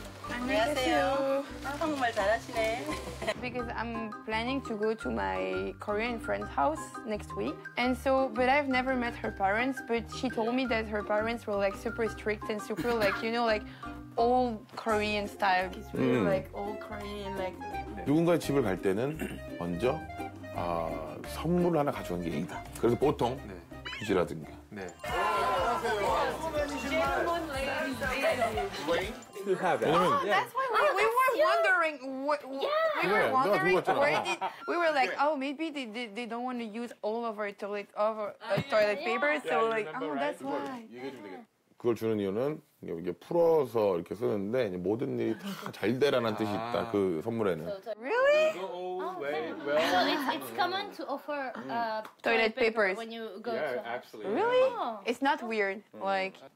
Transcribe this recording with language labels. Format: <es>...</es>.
<ko>안녕하세요. 한국말 잘하시네.</ko> <en>Because I'm planning to go to my Korean friend's house next week. And so, but I've never met her parents, but she told me that her parents were like super strict and super like, you know, like old Korean style. It's really like old Korean, like...</en> <ko>누군가의 집을 갈 때는 먼저 선물을 하나 가져간 게 이다. 그래서 보통 휴지라든가. 네. 왜냐면,</ko> <en>we were wondering where yeah. oh maybe they don't want to use all of our toilet paper yeah. so like oh that's why.</en> <ko>그걸 주는 이유는 이게 풀어서 이렇게 쓰는데 모든 일이 다 잘 되라는 뜻이 있다. 그 선물에는.</ko> <en>Really? So it's common to offer toilet papers when you go to. Really? It's not weird. Like</en>